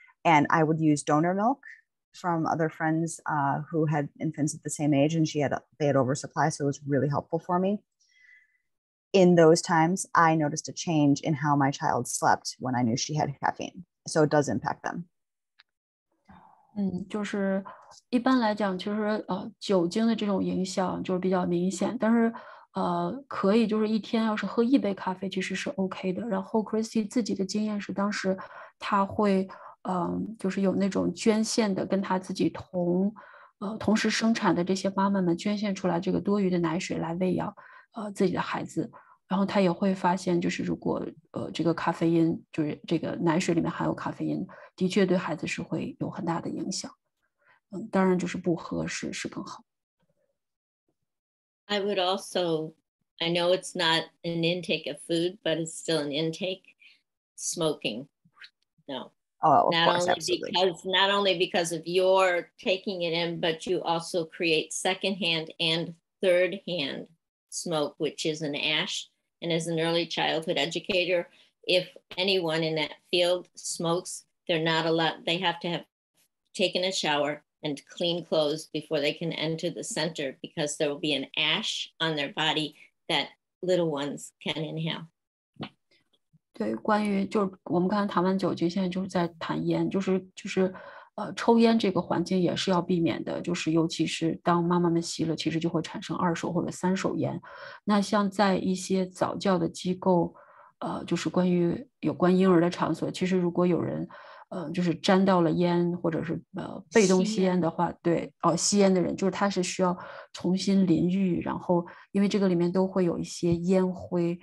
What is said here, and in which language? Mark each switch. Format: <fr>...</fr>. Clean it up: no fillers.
<en>And I would use donor milk from other friends who had infants at the same age, and they had oversupply, so it was really helpful for me. In those times, I noticed a change in how my child slept when I knew she had caffeine. So it does impact them.</en> <zh>就是一般来讲，其实酒精的这种影响就是比较明显，但是可以就是一天要是喝一杯咖啡其实是 OK 的。然后 Christy 自己的经验是当时他会就是有那种捐献的，跟他自己同时生产的这些妈妈们捐献出来这个多余的奶水来喂养自己的孩子。然后他也会发现，就是如果这个咖啡因，就是这个奶水里面含有咖啡因，的确对孩子是会有很大的影响。当然就是不喝是更好。</zh> <en>I would also, I know it's not an intake of food, but it's still an intake. Smoking, no. Not only because of your taking it in, but you also create secondhand and thirdhand smoke, which is an ash. And as an early childhood educator, if anyone in that field smokes, they're not allowed, they have to have taken a shower and clean clothes before they can enter the center because there will be an ash on their body that little ones can inhale.</en> <zh>对，关于就是我们刚才谈完酒精，现在就是在谈烟，就是抽烟这个环境也是要避免的，就是尤其是当妈妈们吸了，其实就会产生二手或者三手烟。那像在一些早教的机构，就是关于有关婴儿的场所，其实如果有人就是沾到了烟或者是被动吸烟的话，对，吸烟的人就是他是需要重新淋浴，然后因为这个里面都会有一些烟灰，</zh>